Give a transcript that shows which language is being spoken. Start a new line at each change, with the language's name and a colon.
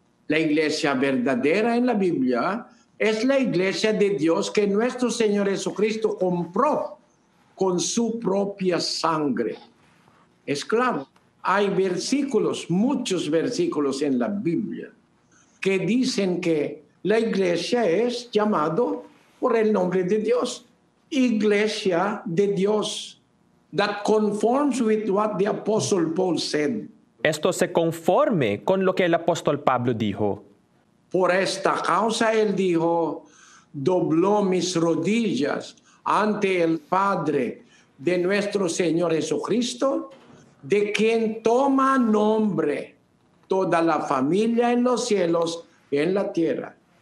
Spanish: La iglesia verdadera en la Biblia es la iglesia de Dios que nuestro Señor Jesucristo compró con su propia sangre. Es claro, hay versículos, muchos versículos en la Biblia que dicen que la iglesia es llamado por el nombre de Dios.
English: Iglesia de Dios, that conforms with what the Apostle Paul said.
Spanish: Esto se conforme con lo que el apóstol Pablo dijo. Por esta causa, él dijo, dobló mis rodillas ante el Padre de nuestro Señor Jesucristo, de quien toma nombre toda la familia en los cielos y en la tierra.